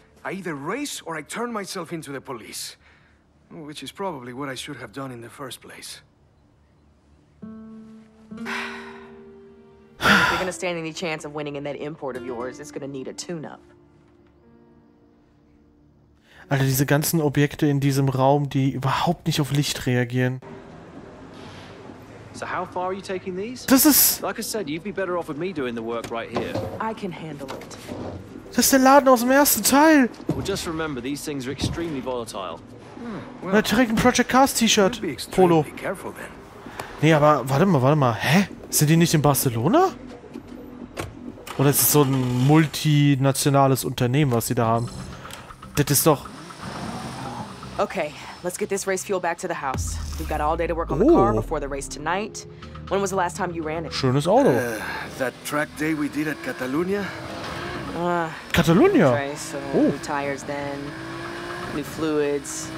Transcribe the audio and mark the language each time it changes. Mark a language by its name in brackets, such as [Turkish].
[English] I either race or I turn myself into the police. Which is probably what I should have done in the first place. If you're gonna stand any chance of winning in that import of yours, it's gonna need a tune-up. [German] Also diese ganzen Objekte in diesem Raum, die überhaupt nicht auf Licht reagieren. [English] So how far are you taking these? [German] Das ist... [English] Like I said, you'd be better off with me doing the work right here. I can handle it. [German] Das ist der Laden aus dem ersten Teil! [English] Well, just remember, these things are extremely volatile. [German] Hm, well, direkt ein Project Cars T-Shirt, Polo. Careful, nee, aber warte mal. Hä? Sind die nicht in Barcelona? Oder ist es so ein multinationales Unternehmen, was sie da haben? Das ist doch... [English] Okay, let's get this race fuel back to the house. We've got all day to work on the car before the race tonight. When was the last time you ran it? [German] Schönes Auto. [English] That track day we did at Catalunya. Catalunya? Oh. New tires then. New fluids.